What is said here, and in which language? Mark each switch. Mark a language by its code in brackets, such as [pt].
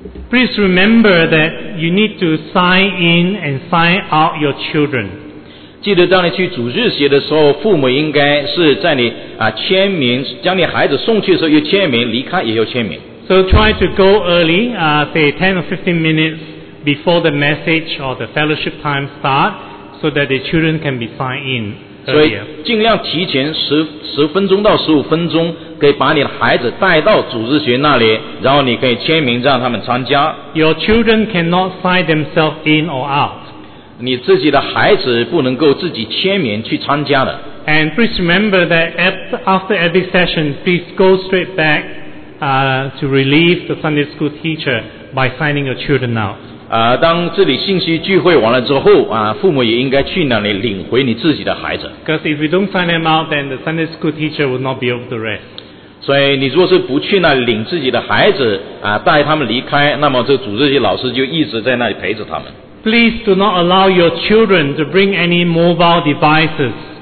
[en] Please remember that you need to sign in and sign out your children. [zh] 记得当你去主日学的时候，父母应该是在你签名，将你孩子送去的时候要签名，离开也要签名。 [en] So try to go early, say 10 or 15 minutes before the message or the fellowship time start, so that the children can be signed in. [zh] 所以尽量提前十分钟到十五分钟。可以把你的孩子带到主日学那里，然后你可以签名让他们参加。 [en] Your children cannot sign themselves in or out. [zh] 你自己的孩子不能够自己签名去参加的。 [en] And please remember that after every session, please go straight back to relieve the Sunday school teacher by signing your children out. [zh] 当这里信息聚会完了之后父母也应该去那里领回你自己的孩子。 [en] Because if you don't sign them out, then the Sunday school teacher will not be able to rest. [zh] 所以你如果是不去那里领自己的孩子带他们离开，那么这主日学老师就一直在那里陪着他们。 [en] Please do not allow your children to bring any mobile devices.